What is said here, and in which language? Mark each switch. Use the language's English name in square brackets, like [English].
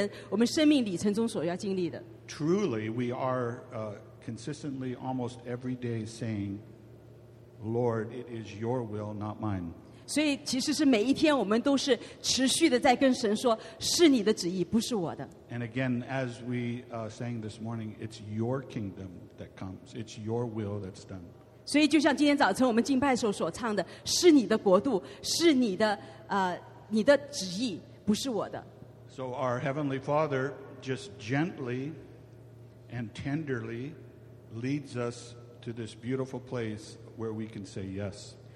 [Chinese] 所以我相信呢，这其实也是我们每一个人我们生命里程中所要经历的。 [English] Truly, we are consistently almost every day saying. Lord, it is your will, not mine. [Chinese] 所以其实是每一天我们都是持续的在跟神说，是你的旨意，不是我的。 [English] And again, as we sang this morning, it's your kingdom that comes. It's your will that's done. [Chinese] 所以就像今天早晨我们敬拜时候所唱的，是你的国度，是你的旨意，不是我的。 [English] So our Heavenly Father just gently and tenderly leads us to this beautiful place where we can say yes.